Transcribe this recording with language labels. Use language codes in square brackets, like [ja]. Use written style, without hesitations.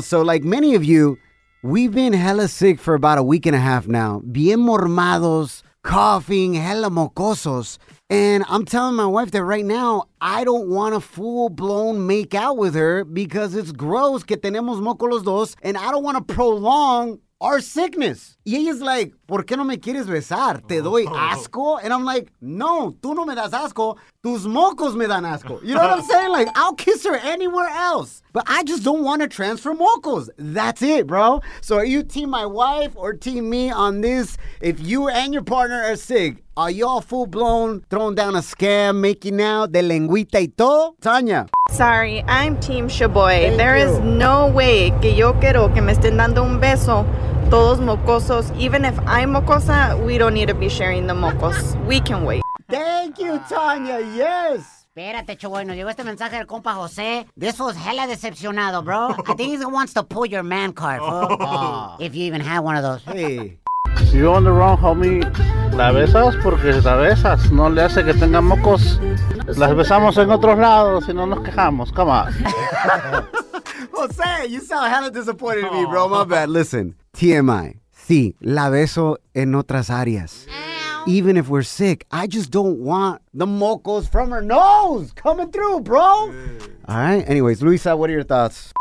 [en] So, like many of you, we've been hella sick for about a week and a half now. [es] Bien mormados, coughing, hella mocosos. [en] And I'm telling my wife that right now, I don't want a full-blown make-out with her because it's gross [es] que tenemos moco los dos, [en] and I don't want to prolong our sickness. [es] Y ella's like, ¿por qué no me quieres besar? ¿Te doy asco? [en] And I'm like, [es] no, tú no me das asco. Tus mocos me dan asco. [en] You know what I'm saying? Like, I'll kiss her anywhere else. But I just don't want to transfer mocos. That's it, bro. So are you team my wife or team me on this? If you and your partner are sick, are y'all full-blown, throwing down a scam, making out, [es] de lengüita y todo? Tanya. [en] Sorry, I'm team Shaboy. There is no way [es] que yo quiero que me estén dando un beso todos mocosos. [en] Even if I'm mocosa, we don't need to be sharing the mocos. We can wait. Thank you, Tanya. Yes. [es] Espérate, Shaboy. Nos llegó este mensaje del compa José. [en] This was hella [es] decepcionado, bro. [en] I think he wants to pull your man card, bro. If you even have one of those. Hey. [es] Si [en] you're on the wrong, homie, [es] la besas porque la besas. No le hace que tenga mocos. Las besamos en otros lados y no nos quejamos. [en] Come on. José, you sound hella disappointed in me, bro. My bad. Listen, TMI. [es] Sí, la beso en otras áreas. [en] Even if we're sick, I just don't want the mocos from her nose coming through, bro. All right. Anyways, Luisa, what are your thoughts?